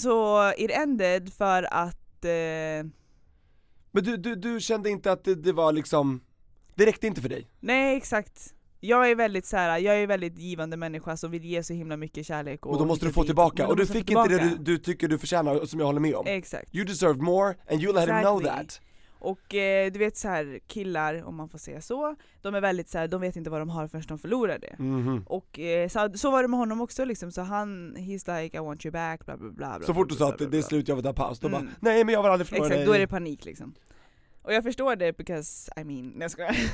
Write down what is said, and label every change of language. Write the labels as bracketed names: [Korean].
[Swedish] Så [English] it ended [Swedish] för att... Men du kände inte att det var liksom... Det räckte inte för dig? Nej, exakt. Jag är väldigt så här, jag är väldigt givande människa som vill ge så himla mycket kärlek. Och då måste du få tillbaka. Och du fick inte det du tycker du förtjänar som jag håller med om. Exakt. [English] You deserve more and you let him know that. [Swedish] Och du vet så här, killar, om man får säga så, de är väldigt så här, de vet inte vad de har förrän de förlorar det. Mm-hmm. Och så var det med honom också liksom, så han, [English] he's like, I want you back, [Swedish] bla bla bla. Så fort du sa att det är slut, jag vill ta paus, då bara, nej men jag vill aldrig förlora dig. Exakt, då är det panik liksom. Och jag förstår det, [English] because, I mean, [Swedish] jag skojar.